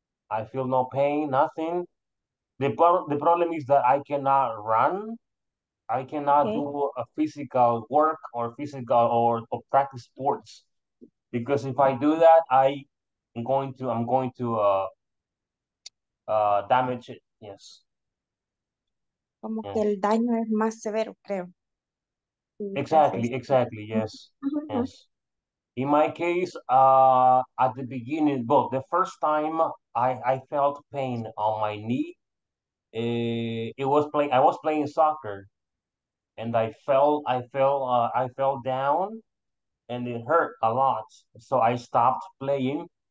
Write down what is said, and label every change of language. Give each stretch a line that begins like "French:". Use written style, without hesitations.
English: I feel no pain, nothing. The problem is that I cannot run. I cannot do a physical work or physical or practice sports, because if I do that, I'm going to damage it. Yes.
Spanish: Como que el daño es más severo, creo.
English: Exactly, exactly, yes, yes. In my case, at the beginning, well, the first time I felt pain on my knee, I was playing soccer, and I fell down, and it hurt a lot, so I stopped playing.